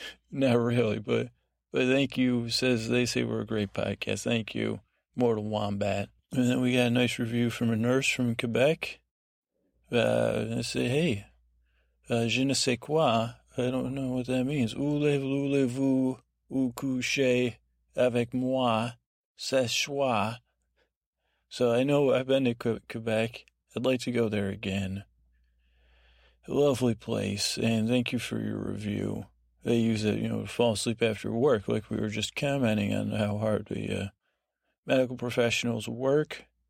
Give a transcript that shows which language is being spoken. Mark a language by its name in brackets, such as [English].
[English] Not really, but thank you. Says they say we're a great podcast. Thank you, Mortal Wombat. And then we got a nice review from a nurse from Quebec. They say, hey, je ne sais quoi. I don't know what that means. [French] Voulez-vous vous coucher avec moi ce soir? [English] So I know I've been to Quebec. I'd like to go there again. A lovely place. And thank you for your review. They use it, you know, to fall asleep after work, like we were just commenting on how hard the medical professionals work.